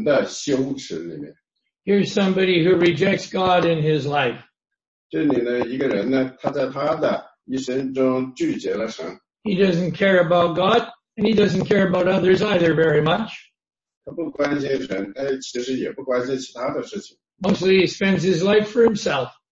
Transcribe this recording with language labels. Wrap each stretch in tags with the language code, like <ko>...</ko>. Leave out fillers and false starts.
<zh>当我们的生命结束的时候，我们或者是进到那永恒的荣耀，或者是就进到那永恒的羞耻里面。</zh> <en>Here's somebody who rejects God in his life.</en> <zh>这里呢，一个人呢，他在他的一生中拒绝了神。</zh> <en>He doesn't care about God, and he doesn't care about others either very much.</en> <zh>他不关心神，但其实也不关心其他的事情。</zh> <en>Mostly he spends his life for himself.</en>